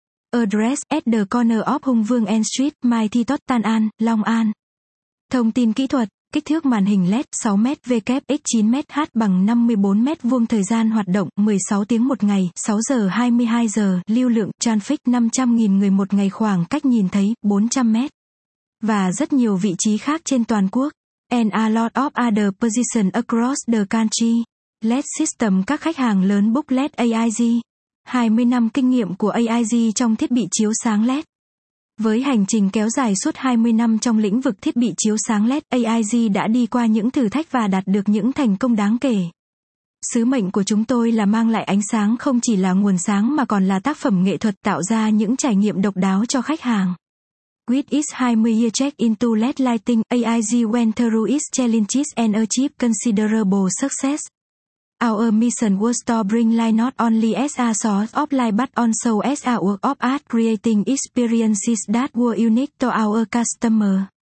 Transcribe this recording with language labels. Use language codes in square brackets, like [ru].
[en] Address at the corner of Hùng Vương and Street, Mai Thị Tốt Tân An, Long An. [vi] Thông tin kỹ thuật. Kích thước màn hình LED 6m x 9m2 bằng 54m2. Thời gian hoạt động 16 tiếng một ngày, 6 giờ 22 giờ. Lưu lượng traffic 500.000 người một ngày, khoảng cách nhìn thấy 400m. Và rất nhiều vị trí khác trên toàn quốc. [en] And a lot of other positions across the country. [vi] LED system các khách hàng lớn book LED AIG. 20 năm kinh nghiệm của AIG trong thiết bị chiếu sáng LED. Với hành trình kéo dài suốt 20 năm trong lĩnh vực thiết bị chiếu sáng LED, AIG đã đi qua những thử thách và đạt được những thành công đáng kể. Sứ mệnh của chúng tôi là mang lại ánh sáng không chỉ là nguồn sáng mà còn là tác phẩm nghệ thuật, tạo ra những trải nghiệm độc đáo cho khách hàng. [en] With its 20-year check into LED lighting, AIG went through its challenges and achieved considerable success. Our mission was to bring light not only as a source of light but also as a work of art, creating experiences that were unique to our customer.